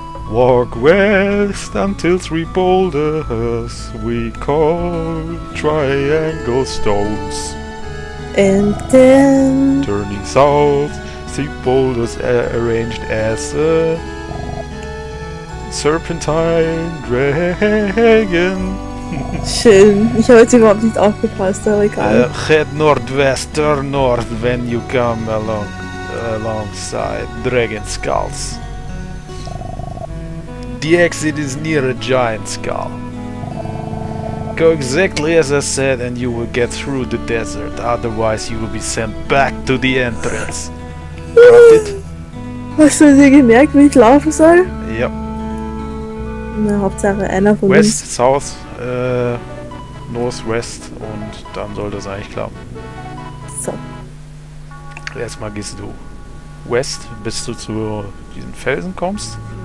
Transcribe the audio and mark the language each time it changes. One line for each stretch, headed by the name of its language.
English: Walk west until three boulders we call triangle stones. And then... Turning south, three boulders arranged as a... Serpentine dragon.
German: Schön. Ich habe jetzt überhaupt nicht aufgepasst, aber egal.
English: Head northwest, turn north when you come alongside Dragon Skulls. The exit is near a giant skull. Go exactly as I said and you will get through the desert, otherwise you will be sent back to the entrance. Got it?
German: Hast du dir gemerkt, wie ich laufen soll? Ja. Na, Hauptsache einer von West, West, South, North, West und dann soll das eigentlich klappen. So. Erstmal gehst du West, bis du zu diesen Felsen kommst.